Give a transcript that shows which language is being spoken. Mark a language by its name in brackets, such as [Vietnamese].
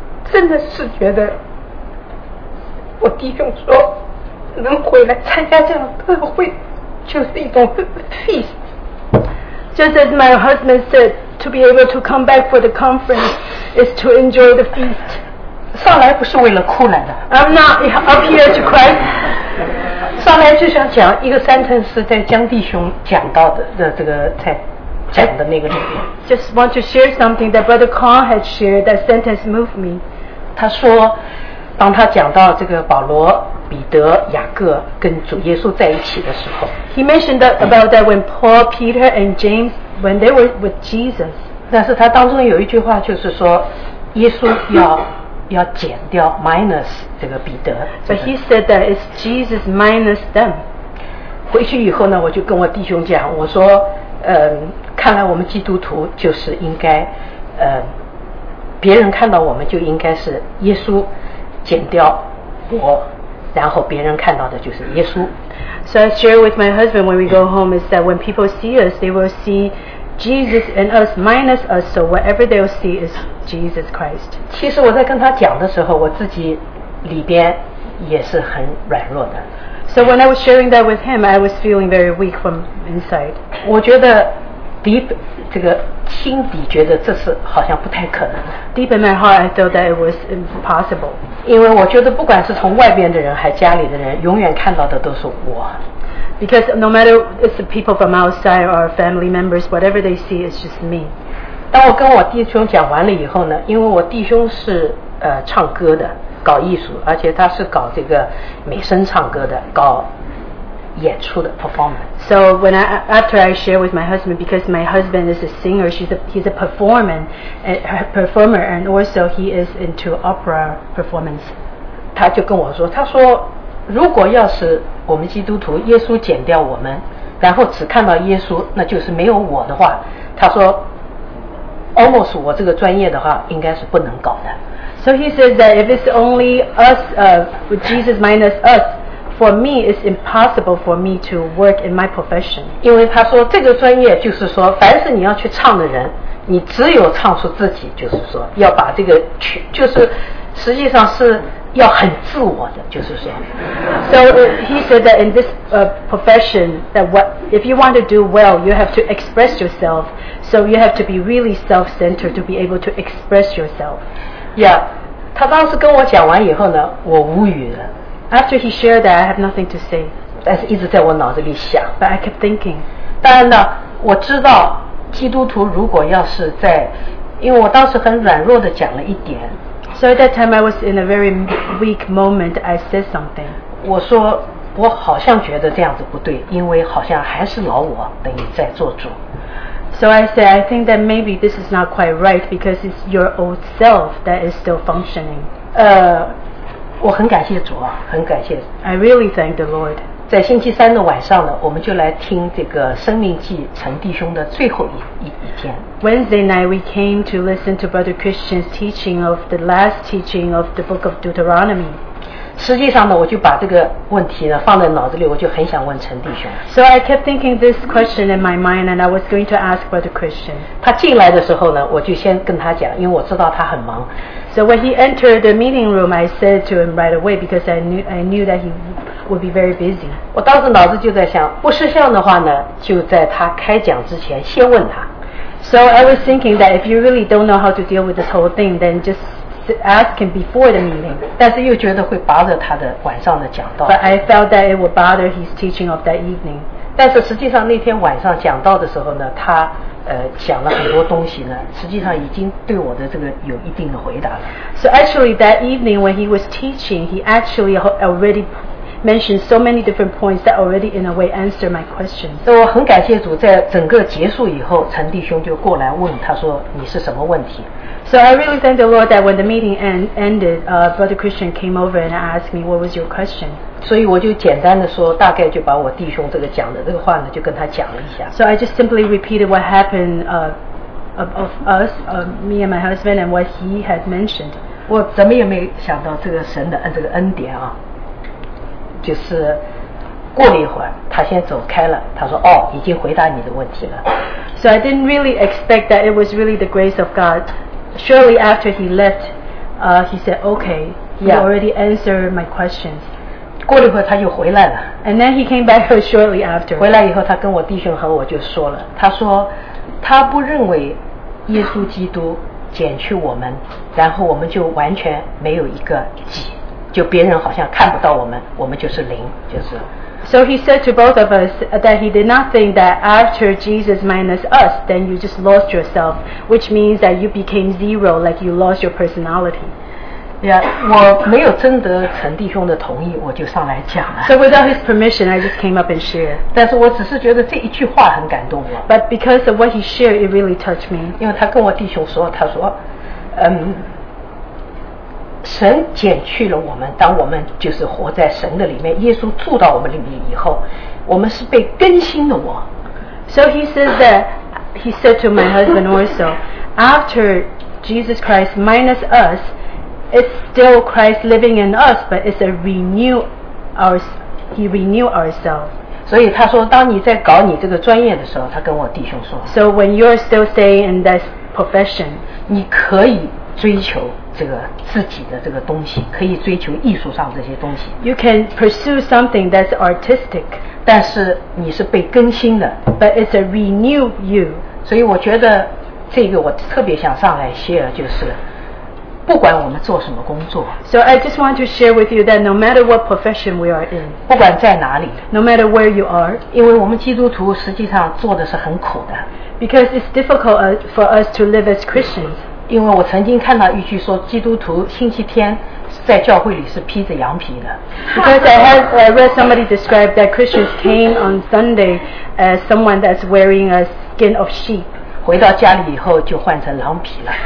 [Chinese] 真的是觉得我弟兄说能回来参加这样的特会就是一种 feast. [English] Just as my husband said, to be able to come back for the conference is to enjoy the feast. [Chinese] 上来不是为了哭来的。 [English] I'm not up here to cry. [Chinese] 上来就想讲一个 sentence 在江弟兄讲到的这个在讲的那个里面。 [English] Just want to share something that Brother Kong had shared. That sentence moved me. [Chinese] 他说，当他讲到这个保罗。彼得、雅各跟主耶稣在一起的时候 [English] ，He mentioned that about that when Paul, Peter, and James when they were with Jesus. [Chinese] 但是他当中有一句话就是说，耶稣要减掉 minus 这个彼得。 [English] But he said that it's Jesus minus them. [Chinese] 回去以后呢，我就跟我弟兄讲，我说，看来我们基督徒就是应该，别人看到我们就应该是耶稣减掉我。然后别人看到的就是耶稣。 [English] So I share with my husband when we go home is that when people see us, they will see Jesus and us minus us. So whatever they'll see is Jesus Christ. [Chinese] 其实我在跟他讲的时候，我自己里边也是很软弱的。 [English] So when I was sharing that with him, I was feeling very weak from inside. [Chinese] 我觉得 deep 这个心底觉得这是好像不太可能。 [English] Deep in my heart, I thought that it was impossible. [Chinese] 因为我觉得不管是从外边的人还家里的人永远看到的都是我 [English] Because no matter it's the people from outside or family members whatever they see is just me [Chinese] 当我跟我弟兄讲完了以后呢因为我弟兄是唱歌的搞艺术而且他是搞这个美声唱歌的搞演出的 performance [English] So when after I share with my husband because my husband is a singer he's a performer and also he is into opera performance [Chinese] 他就跟我说他说如果要是我们基督徒耶稣减掉我们然后只看到耶稣那就是没有我的话他说 almost 我这个专业的话应该是不能搞的。 [English] So he says that if it's only us, with Jesus minus us, for me it's impossible for me to work in my profession. [Chinese] 因为他说这个专业就是说凡是你要去唱的人你只有唱出自己就是说要把这个曲就是实际上是要很自我的就是说 [English] So he said that in this profession that what, if you want to do well you have to express yourself so you have to be really self-centered to be able to express yourself [Chinese] Yeah 他当时跟我讲完以后呢我无语了 [English] After he shared that I have nothing to say [Chinese] 但是一直在我脑子里想 [English] But I kept thinking [Chinese] 当然呢我知道基督徒如果要是在因为我当时很软弱的讲了一点 [English] So at that time I was in a very weak moment I said something [Chinese] 我说我好像觉得这样子不对因为好像还是老我等于在做主 [English] So I said I think that maybe this is not quite right because it's your old self that is still functioning [Chinese] 我很感谢主啊很感谢 [English] I really thank the Lord [Chinese] 在星期三的晚上呢我们就来听这个生命记陈弟兄的最后 一天 [English] Wednesday night, we came to listen to Brother Christian's teaching of the last teaching of the book of Deuteronomy. [Chinese] 实际上呢，我就把这个问题呢放在脑子里，我就很想问陈弟兄。 [English] So I kept thinking this question in my mind, and I was going to ask Brother Christian. [Chinese] 他进来的时候呢，我就先跟他讲，因为我知道他很忙。 [English] So when he entered the meeting room, I said to him right away because I knew that he would be very busy. [Chinese] 我当时脑子就在想，不失效的话呢，就在他开讲之前先问他。 [English] So I was thinking that if you really don't know how to deal with this whole thing, then just ask him before the meeting. [Chinese] 但是又觉得会 bother 他的晚上的讲道。 [English] But I felt that it would bother his teaching of that evening. [Chinese] 但是实际上那天晚上讲道的时候呢，他讲了很多东西呢，实际上已经对我的这个有一定的回答了。 [English] So actually that evening when he was teaching, he actually already mentioned so many different points that already in a way answered my question. [Chinese] So 我很感谢主在整个结束以后陈弟兄就过来问他说你是什么问题 [English] So I really thank the Lord that when the meeting ended, Brother Christian came over and asked me what was your question. [Chinese] 所以我就简单的说大概就把我弟兄这个讲的这个话呢就跟他讲了一下 [English] So I just simply repeated what happened of us, me and my husband and what he had mentioned. [Chinese] 我怎么也没想到这个神的这个恩典啊就是过了一会儿他先走开了他说哦已经回答你的问题了 [English] So I didn't really expect that it was really the grace of God Surely after he left he said okay he yeah. already answered my questions [Chinese] 过了一会儿他又回来了 [English] And then he came back shortly after [Chinese] 回来以后他跟我弟兄和我就说了他说他不认为耶稣基督拣去我们然后我们就完全没有一个己就别人好像看不到我们我们就是零就是 [English] So he said to both of us that he did not think that after Jesus minus us then you just lost yourself which means that you became zero like you lost your personality [Chinese] Yeah, 我没有征得陈弟兄的同意我就上来讲了 [English] So without his permission I just came up and share [Chinese] 但是我只是觉得这一句话很感动我 [English] But because of what he shared it really touched me [Chinese] 因为他跟我弟兄说他说神减去了我们当我们就是活在神的里面耶稣住到我们里面以后我们是被更新的我 [English] So he says that he said to my husband also after Jesus Christ minus us it's still Christ living in us but it's a renew our, he renew ourselves [Chinese] 所以他说当你在搞你这个专业的时候他跟我弟兄说 [English] So when you're still staying in that profession [Chinese] 你可以追求这个自己的这个东西可以追求艺术上这些东西 [English] You can pursue something that's artistic [Chinese] 但是你是被更新的 [English] But it's a renew you [Chinese] 所以我觉得这个我特别想上来 share 就是不管我们做什么工作 [English] So I just want to share with you that no matter what profession we are in [Chinese] 不管在哪里 [English] No matter where you are [Chinese] 因为我们基督徒实际上做的是很苦的 [English] Because it's difficult for us to live as Christians [Chinese] 因为我曾经看到一句说基督徒星期天在教会里是披着羊皮的 [English] Because I have read somebody describe that Christians came on Sunday as someone that's wearing a skin of sheep [Chinese] 回到家里以后就换成狼皮了